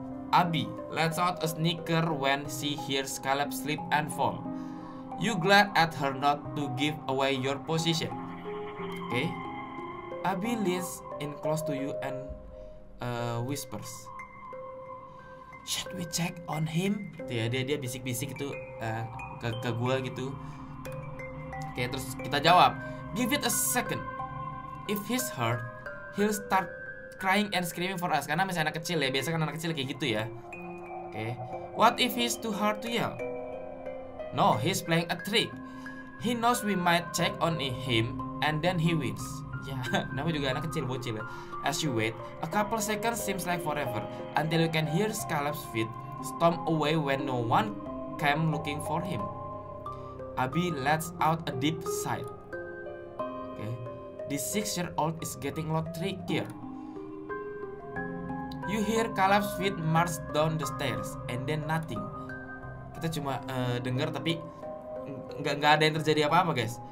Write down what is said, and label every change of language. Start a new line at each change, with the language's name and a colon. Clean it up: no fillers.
English: Abby lets out a snicker when she hears Caleb slip and fall. You glad at her not to give away your position. Okay. Abby leans in close to you and whispers. Should we check on him?
Indonesian: Ya, dia bisik-bisik itu ke gua gitu. Okay, terus kita jawab.
English: Give it a second. If he's hurt, he'll start crying and screaming for us.
Indonesian: Karena masih anak kecil ya. Biasa kan anak kecil kayak gitu ya. Okay.
English: What if he's too hard to yell? No, he's playing a trick. He knows we might check on him and then he wins.
Indonesian: Ya, namanya juga anak kecil bocil ya.
English: As you wait, a couple seconds seems like forever until you can hear Caleb's feet storm away when no one came looking for him. Abby lets out a deep sigh. Okay. This 6-year-old is getting a lot trickier. You hear Caleb's feet march down the stairs and then nothing.
Indonesian: Kita cuma dengar tapi nggak ada yang terjadi apa-apa, guys.